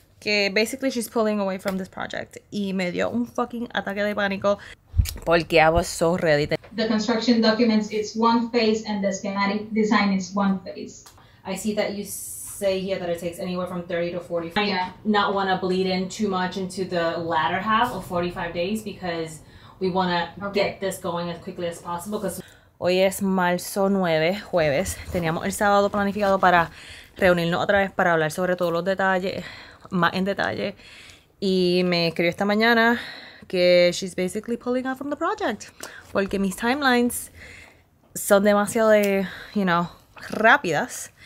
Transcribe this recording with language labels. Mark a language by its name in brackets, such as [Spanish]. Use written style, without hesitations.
[Spanish] Que [English] basically she's pulling away from this project. [Spanish] Y me dio un [English] fucking [Spanish] ataque de pánico. Porque [English] I was so ready. The construction documents is one phase and the schematic design is one phase. I see that you... say here that it takes anywhere from 30 to 45. Yeah. Not want to bleed in too much into the latter half of 45 days because we want to get this going as quickly as possible because [Spanish] hoy es marzo 9, jueves. Teníamos el sábado planificado para reunirnos otra vez para hablar sobre todos los detalles, más en detalle. Y me escribió esta mañana que [English] she's basically pulling out from the project [Spanish] porque mis timelines son demasiado, [English] you know, [Spanish] rápidas.